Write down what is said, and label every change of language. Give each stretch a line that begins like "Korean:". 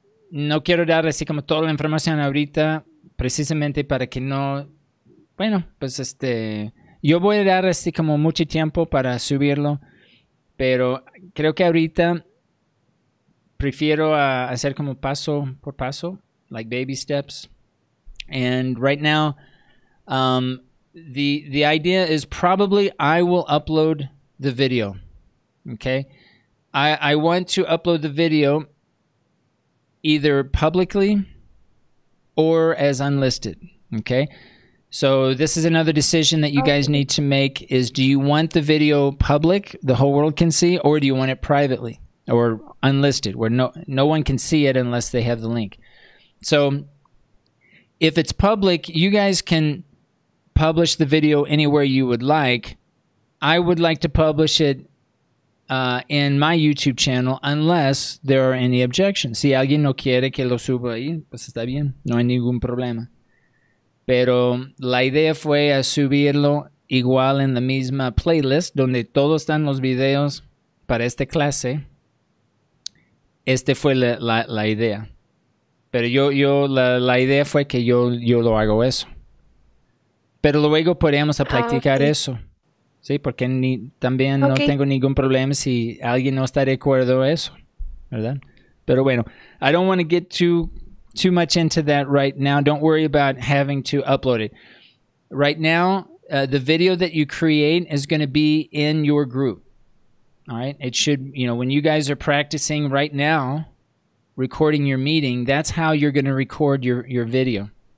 Spanish: No quiero dar así como toda la información ahorita, precisamente para que no, bueno, pues yo voy a dar así como mucho tiempo para subirlo. Pero creo que ahorita prefiero hacer como paso por paso,
English: like baby steps. And right now, the idea is probably I will upload the video, okay? I want to upload the video either publicly or as unlisted, okay? So this is another decision that you guys need to make is do you want the video public, the whole world can see, or do you want it privately or unlisted where no one can see it unless they have the link. So if it's public, you guys can publish the video anywhere you would like. I would like to publish it in my YouTube channel unless there are any objections.
Spanish: Si alguien no quiere que lo suba ahí, pues está bien, no hay ningún problema. Pero la idea fue a subirlo igual en la misma playlist donde todos están los videos para esta clase. Este fue la idea. Pero la idea fue que yo lo hago eso. Pero luego podríamos practicar eso. Sí, porque también no tengo ningún problema si alguien no está de acuerdo a eso. ¿Verdad? Pero bueno,
English: I don't want to get too much into that right now. Don't worry about having to upload it. Right now, the video that you create is going to be in your group. All right? It should, you know, when you guys are practicing right now, recording your meeting, that's how you're going to record your video.